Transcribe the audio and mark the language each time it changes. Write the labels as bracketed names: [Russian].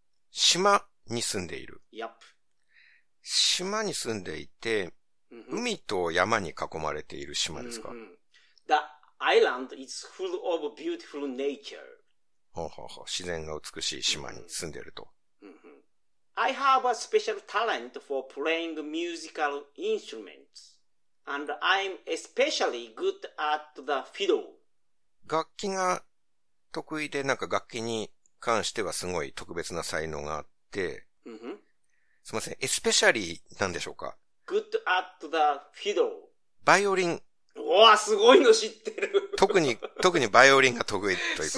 [Japanese] 島に住んでいる。 [English] Yep. [Japanese] 島に住んでいて、海と山に囲まれている島ですか？ [English] The island is full of beautiful nature. [Japanese] ほうほうほう、自然が美しい島に住んでると。 [English] I have a special talent for playing musical instruments, and I'm especially good at the fiddle. [Japanese] 楽器が得意で、なんか楽器に関してはすごい特別な才能があって、すみません、エスペシャリーなんでしょうか？ [English] Good at the fiddle. [Japanese] バイオリン。わあ、すごいの知ってる。特にバイオリンが得意 ということ